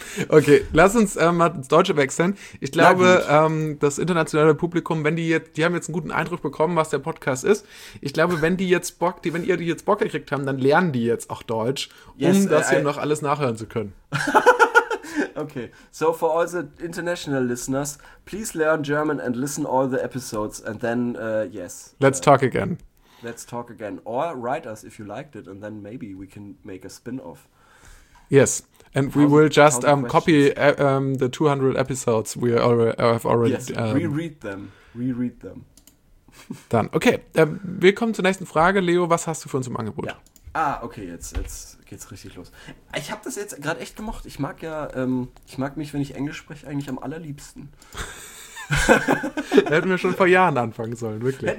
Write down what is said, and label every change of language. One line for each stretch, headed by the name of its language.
German: Okay, lass uns mal ins Deutsche wechseln. Ich glaube, das internationale Publikum, wenn die jetzt, die haben jetzt einen guten Eindruck bekommen, was der Podcast ist. Ich glaube, wenn ihr die jetzt Bock gekriegt haben, dann lernen die jetzt auch Deutsch, um noch alles nachhören zu können.
English: Okay, so for all the international listeners, please learn German and listen all the episodes and then, Let's talk again. Let's talk again. Or write us if you liked it and then maybe we can make a spin-off. Yes, and we will just copy the 200 episodes we have already... Yes, reread them.
German: Dann, okay, wir kommen zur nächsten Frage. Leo, was hast du für uns im Angebot? Ja. Ah, okay, jetzt geht's richtig los. Ich habe das jetzt gerade echt gemocht. Ich mag ja, ich mag mich, wenn ich Englisch spreche, eigentlich am allerliebsten. Hätten wir schon vor Jahren anfangen sollen, wirklich.